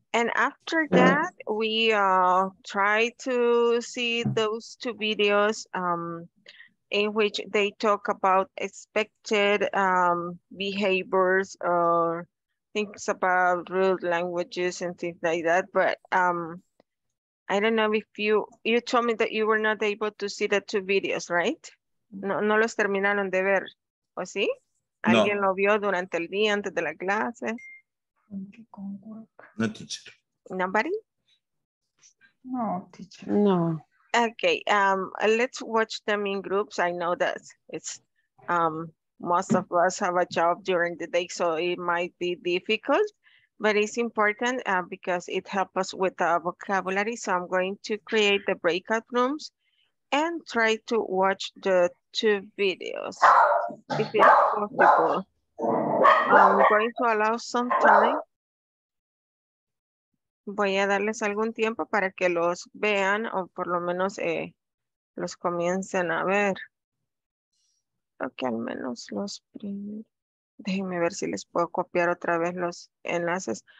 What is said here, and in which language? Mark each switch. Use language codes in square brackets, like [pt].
[en] And after that, we try to see those two videos in which they talk about expected behaviors or things about rude languages and things like that. But I don't know if you told me that you were not able to see the two videos, right? [es] No los terminaron de ver, ¿o sí? ¿Alguien no. lo vio durante el día antes de la clase? No, teacher. [en] Nobody? [es] No, teacher. No. [en] Okay, let's watch them in groups. I know that it's most of us have a job during the day, so it might be difficult, but it's important because it helps us with the vocabulary. So I'm going to create the breakout rooms and try to watch the two videos if it's possible. I'm going to allow some time. [es] Voy a darles algún tiempo para que los vean o por lo menos los comiencen a ver. Creo que al menos los primeros. Déjenme ver si les puedo copiar otra vez los enlaces.